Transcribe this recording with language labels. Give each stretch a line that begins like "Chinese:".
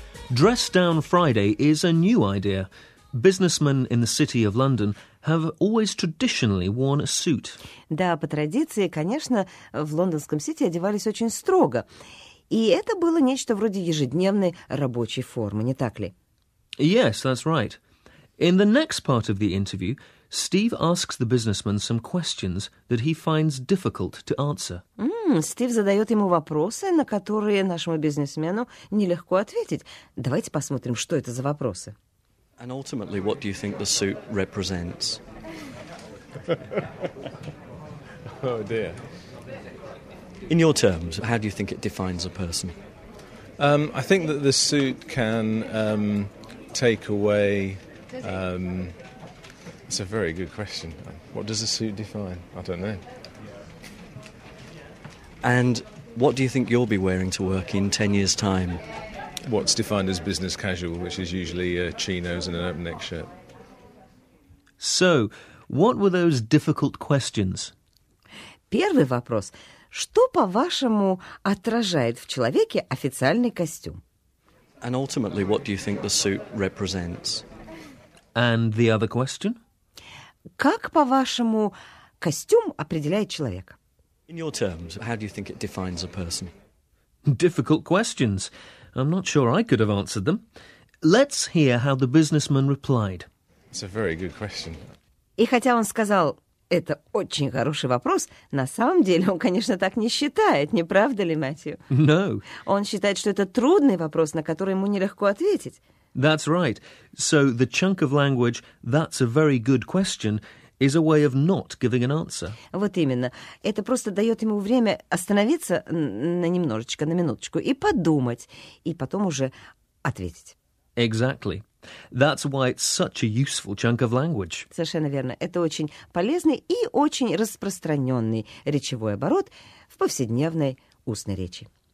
English: Dress Down Friday is a new idea. Businessmen in the city of London have always traditionally worn a suit.
Russian: Да, по традиции, конечно, в лондонском сити одевались очень строго. И это было нечто вроде ежедневной рабочей формы, не так ли?
English: Yes, that's right. In the next part of the interview, Steve asks the businessman some questions that he finds difficult to answer.
Russian: Стив задает ему вопросы, на которые нашему бизнесмену нелегко ответить. Давайте посмотрим, что это за вопросы.
English: And ultimately, what do you think the suit represents? Oh, dear. In your terms, how do you think it defines a person? I think that the suit can take away... it's a very good question. What does a suit define? I don't know. And what do you think you'll be wearing to work in 10 years' time? What's defined as business casual, which is usually chinos and an open-neck shirt. So, what were those difficult questions?
Russian: Первый вопрос. Что, по-вашему, отражает в человеке официальный костюм?
English: And ultimately, what do you think the suit represents? And the other question?
Russian: Как, по-вашему, костюм определяет человека?
English: In your terms, how do you think it defines a person? Difficult questions. I'm not sure I could have answered them. Let's hear how the businessman replied. It's a very good question.
Russian: И хотя он сказал, это очень хороший вопрос, на самом деле он, конечно, так не считает, не правда ли, Мэтью?
English: No.
Russian: Он считает, что это трудный вопрос, на который ему нелегко ответить.
English: That's right. So the chunk of language, that's a very good question, is a way of not giving an answer.
Russian: Вот именно. Это просто дает ему время остановиться на немножечко, на минуточку, и подумать, и потом уже ответить.
English: Exactly. That's why it's such a useful chunk of language.
Russian: Совершенно верно. Это очень полезный и очень распространенный речевой оборот в повседневной устной речи.